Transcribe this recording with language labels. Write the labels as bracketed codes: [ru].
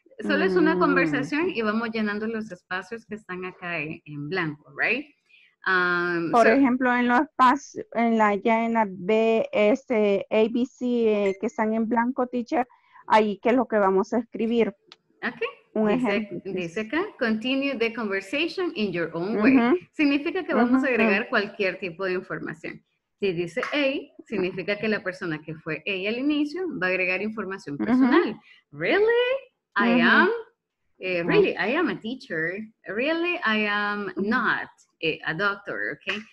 [es] Solo es una conversación y vamos llenando los espacios que están acá en blanco, right? Por ejemplo, en los espacios, en la ya en la B, este, ABC, que están en blanco, teacher, ahí que es lo que vamos a escribir. Okay. Un ejemplo. Dice acá, [en] continue the conversation in your own way. Uh-huh. [es] Significa que vamos a agregar cualquier tipo de información. Si dice A, significa que la persona que fue A al inicio va a agregar información personal. [en] Really? I am? Really, I am a teacher. Really, I am not a doctor, okay?